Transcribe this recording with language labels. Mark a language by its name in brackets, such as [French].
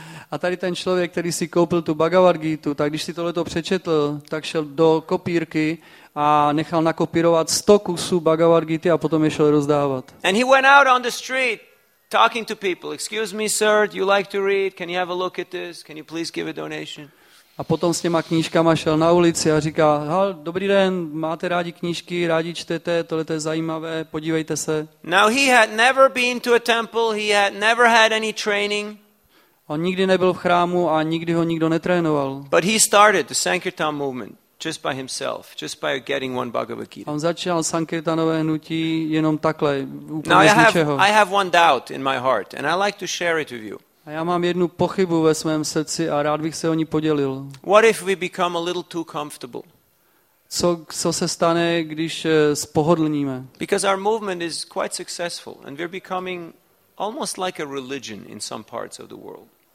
[Czech] A tady ten člověk, který si koupil tu Bhagavad Gita, tak když si tohle to přečetl, tak šel do kopírky a nechal nakopírovat 100 kusů Bhagavad Gita a potom je šel rozdávat. [English] And he went out on the street talking to people. Excuse me, sir, do you like to read? Can you have a look at this? Can you please give a donation? [Czech] A potom s těma knížkama šel na ulici a říká: "Hal, dobrý den, máte rádi knížky, rádi čtete, tohle je zajímavé, podívejte se." [English] Now he had never been to a temple, he had never had any training. [Czech] On nikdy nebyl v chrámu a nikdy ho nikdo netrénoval. [English] But he started the Sankirtan movement just by himself, just by getting one Bhagavad Gita. [Czech] On začal sankirtanové hnutí jenom takhle, úplně z ničeho. [English] I have one doubt in my heart and I like to share it with you. [Czech] A já mám jednu pochybu ve svém srdci a rád bych se o ní podělil. [English] What if we become a little too comfortable? [Czech] Co se stane, když spohodlníme? [English] Because our movement is quite successful and we're becoming almost like a religion in some parts of the world.